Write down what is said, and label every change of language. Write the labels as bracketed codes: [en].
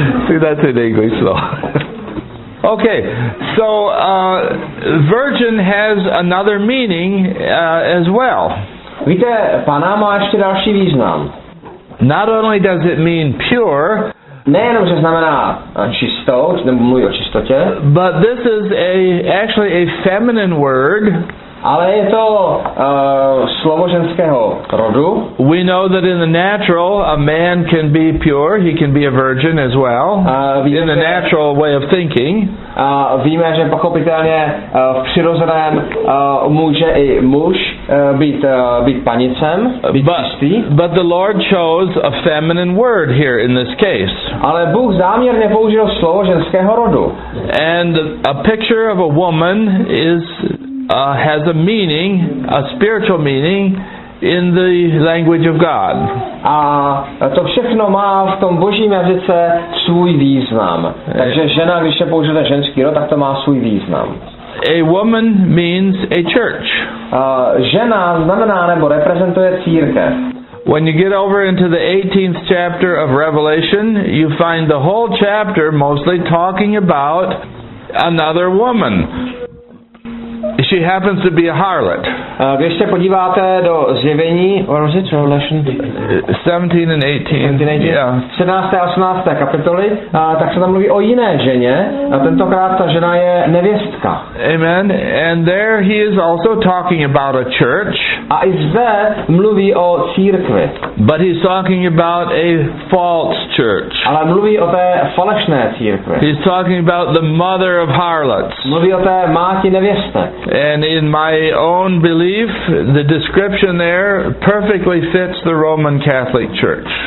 [en] See, that's in English though. Okay, so virgin has another meaning as well. [cs] Víte, pana má ještě další význam. [en] Not only does it mean pure, [cs] nejenom, že znamená čistou, nebo mluví o čistotě, [en] but this is actually a feminine word. [cs] Ale je to slovo ženského rodu. [en] We know that in the natural a man can be pure, he can be a virgin as well. In the natural way of thinking. [cs] Víme, že pochopitelně v přirozeném může i muž být panicem, být čistý. [en] But the Lord chose a feminine word here in this case. [cs] Ale Bůh záměrně použil slovo ženského rodu. [en] And a picture of a woman is has a meaning, a spiritual meaning, in the language of God. [cs] A to všechno má v tom božím jazyce svůj význam. Takže žena, když je použita ženský rod, tak to má svůj význam. [en] A woman means a church. [cs] Žena znamená nebo reprezentuje církev. [en] When you get over into the 18th chapter of Revelation, you find the whole chapter mostly talking about another woman. She happens to be a harlot. [cs] Když se podíváte do zjevení, [en] what was it, Revelation? 17 and 18. Yeah. [cs] 17. a 18. kapitoly, tak se tam mluví o jiné ženě, a tentokrát ta žena je nevěstka. [en] Amen. And there he is also talking about a church. [cs] A i zde mluví o církvi. [en] But he's talking about a false church. [cs] Ale mluví o té falešné církvi. [en] He's talking about the mother of harlots. [cs] Mluví o té máti nevěstek. [en] And in my own belief, the description there perfectly fits the Roman Catholic Church.